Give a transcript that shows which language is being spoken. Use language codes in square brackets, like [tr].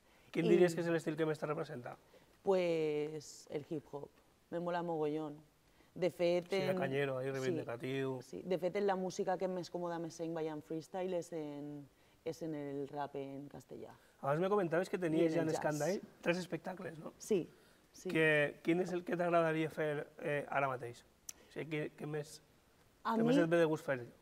[ca] Quin diries que és l'estil que més te representa? [es] Pues el hip hop, me mola mogollón. [ca] De fet, sí, canyero, ahí reivindicatiu. Sí, de fet, la música que més còmoda me sent ballant freestyle és en el rap en castellà. Abans me comentaves que tenies ja en Escandall tres espectacles, no? Sí, sí. Quin és el que t'agradaria fer ara mateix? O sigui, què més et ve de gust fer?